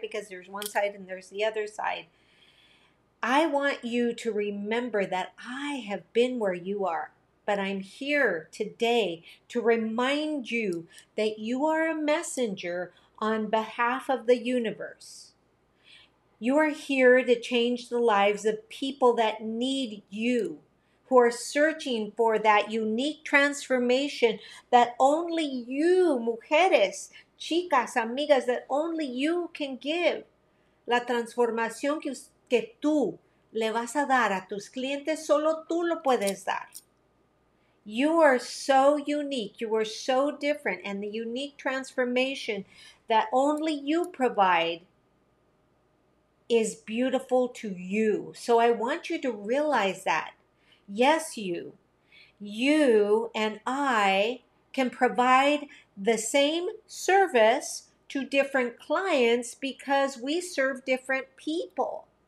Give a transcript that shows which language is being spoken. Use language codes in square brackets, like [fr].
[en] Because there's one side and there's the other side. I want you to remember that I have been where you are, but I'm here today to remind you that you are a messenger on behalf of the universe. You are here to change the lives of people that need you, who are searching for that unique transformation that only you, [es] mujeres, chicas, amigas, [en] that only you can give. [es] La transformación que tú le vas a dar a tus clientes, solo tú lo puedes dar. [en] You are so unique. You are so different. And the unique transformation that only you provide is beautiful to you. So I want you to realize that. Yes, you. You and I can provide the same service to different clients because we serve different people.